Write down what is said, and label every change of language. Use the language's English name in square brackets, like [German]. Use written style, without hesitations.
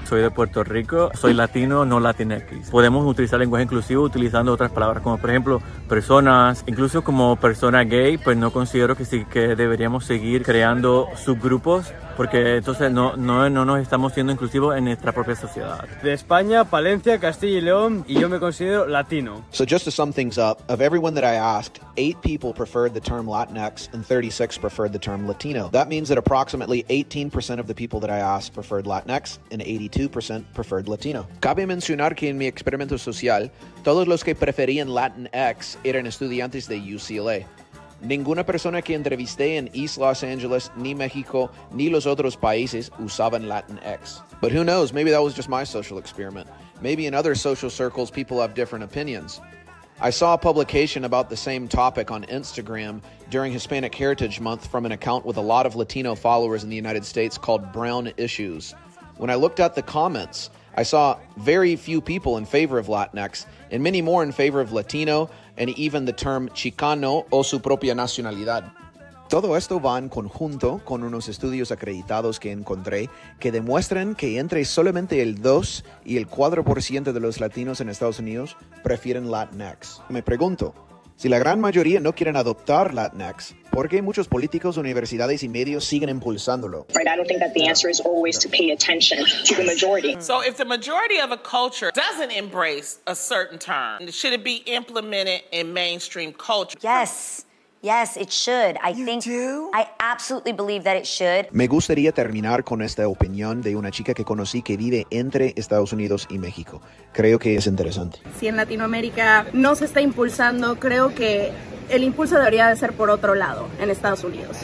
[Spanish] Soy de Puerto Rico, soy latino, no latinx. Podemos utilizar lenguaje inclusivo utilizando otras palabras, como por ejemplo, personas, incluso como persona gay, pues no considero que sí que deberíamos seguir creando subgrupos, porque entonces no nos estamos siendo inclusivos en nuestra propia sociedad. De España, Palencia, Castilla y León, y yo me considero latino. [English] So just to sum things up, of everyone that I asked, 8 people preferred the term Latinx and 36 preferred the term Latino. That means that approximately 18% of the people that I asked preferred Latinx and 82% preferred Latino. [Spanish] Cabe mencionar que en mi experimento social, todos los que preferían Latinx eran estudiantes de UCLA. Ninguna persona que entrevisté en East Los Angeles, ni México, ni los otros países usaban Latinx. [English] But who knows, maybe that was just my social experiment. Maybe in other social circles, people have different opinions. I saw a publication about the same topic on Instagram during Hispanic Heritage Month from an account with a lot of Latino followers in the United States called Brown Issues. When I looked at the comments, I saw very few people in favor of Latinx, and many more in favor of Latino, and even the term chicano [Spanish] o su propia nacionalidad. Todo esto va en conjunto con unos estudios acreditados que encontré que demuestran que entre solamente el 2 y el 4% de los latinos en Estados Unidos prefieren Latinx. Me pregunto, si la gran mayoría no quieren adoptar Latinx, ¿por qué muchos políticos, universidades y medios siguen impulsándolo? [English] Right, I don't think that the answer is always to pay attention to the majority. So if the majority of a culture doesn't embrace a certain term, should it be implemented in mainstream culture? Yes. Yes, it should. I absolutely believe that it should. [Spanish] Me gustaría terminar con esta opinión de una chica que conocí que vive entre Estados Unidos y México. Creo que es interesante. Si en Latinoamérica no se está impulsando, creo que el impulso debería de ser por otro lado, en Estados Unidos.